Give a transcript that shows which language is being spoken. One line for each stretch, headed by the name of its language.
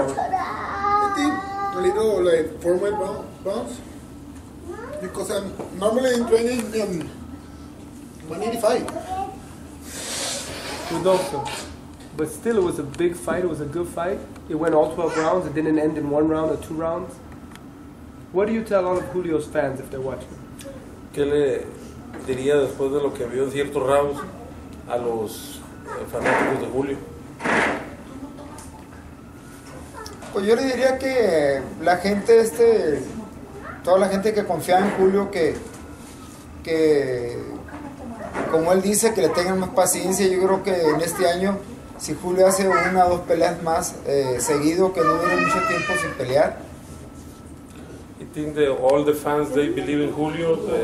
English: A little like 4 pounds because I'm normally in training 185. Rodolfo, but still it was a big fight, it was a good fight. It went all 12 rounds, it didn't end in one round or two rounds. What do you tell all of Julio's fans if they're watching?
Spanish: ¿Qué le diría después de lo que vio en ciertos rounds a los fanáticos de Julio? Pues yo le diría que la gente, toda la gente que confía en Julio, que como él dice, que le tengan más paciencia. Yo creo que en este año, si Julio hace una o dos peleas más seguido, que no dure mucho tiempo sin pelear.
English: I think that all the fans, they believe in Julio.